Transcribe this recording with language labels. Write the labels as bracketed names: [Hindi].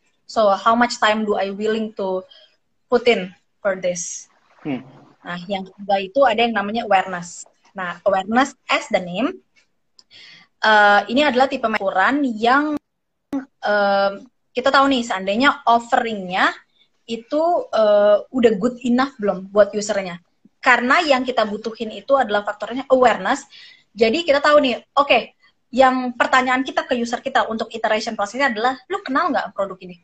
[English] So, how much time do I willing to put in for this? [Indonesian] Nah, yang kedua itu ada yang namanya awareness. [English] Nah, awareness as the name. [Indonesian] Ini adalah tipe ukuran yang kita tahu nih, seandainya offering-nya itu udah [English] good enough [Indonesian] belum buat usernya. Karena yang kita butuhin itu adalah faktornya awareness. Jadi kita tahu nih, oke, yang pertanyaan kita ke user kita untuk iteration process-nya adalah, lu kenal nggak produk ini?